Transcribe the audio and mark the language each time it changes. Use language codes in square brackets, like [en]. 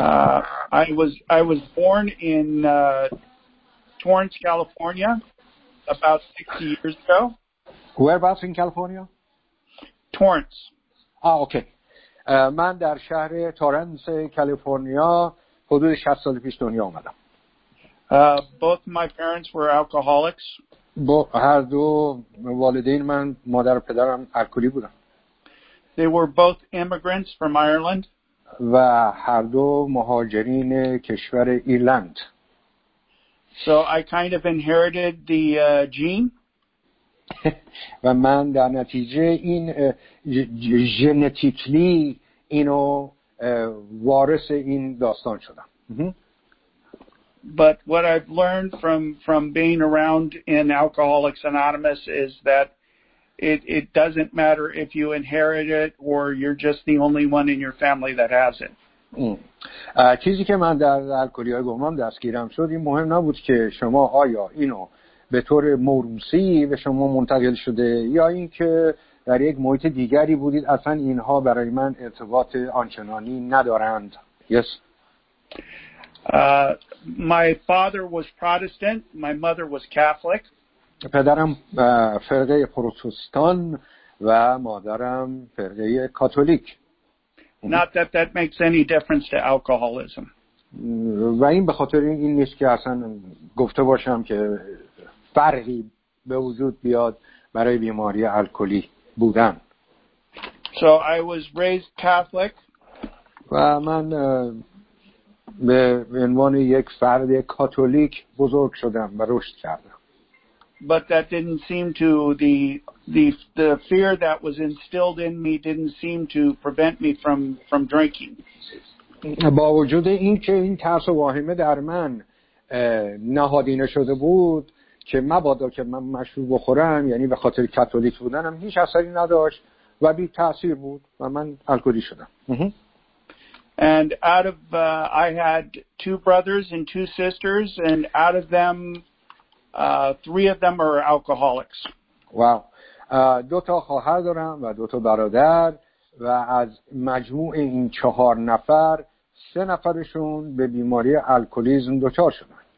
[en] I was born in Torrance, California, about 60 years ago. Whereabouts in California? Torrance. Ah, okay. [fa] من در شهر تورنس کالیفرنیا حدود 60 سال پیش دنیا اومدم. [en] Both my parents were alcoholics. [fa] هر دو والدین من مادر و پدرم الکلی بودن. [en] They were both immigrants from Ireland. [fa] و هر دو مهاجرین کشور ایرلند. [en] So I kind of inherited the gene. [fa] و من در نتیجه این ژنتیکلی اینو وارث این داستان شدم. [en] But what I've learned from being around in Alcoholics Anonymous is that it doesn't matter if you inherit it or you're just the only one in your family that has it. [fa] چیزی که من در الکلی‌های گمنام دستگیرم شد این مهم نبود که شما آیا اینو به طور موروثی به شما منتقل شده یا اینکه در یک محیط دیگری بودید اصلا اینها برای من ارتباط آنچنانی ندارند. [en] Yes. My father was Protestant, my mother was Catholic. [fa] پدرم فرقه پروتستان و مادرم فرقه کاتولیک. [en] Not that that makes any difference to alcoholism. [fa] و این به خاطر این نیست که اصلا گفته باشم که فرقی به وجود بیاد برای بیماری الکلی بودن. [en] So I was raised Catholic. [fa] و من به عنوان یک فرد کاتولیک بزرگ شدم و رشد کردم. [en] But that didn't seem to the fear that was instilled in me didn't seem to prevent me from drinking. [fa] با وجود اینکه این ترس و واهمه در من نهادینه شده بود که مبادا که من مشروب بخورم یعنی به خاطر کاتولیک بودنم هیچ اثری نداشت و بی تاثیر بود و من الکلی شدم. [en] And out of I had two brothers and two sisters and out of them three of them are alcoholics. Wow. [fa] دو تا خواهر دارم و دو تا برادر و از مجموع این چهار نفر سه نفرشون به بیماری الکلیسم دچار شدن.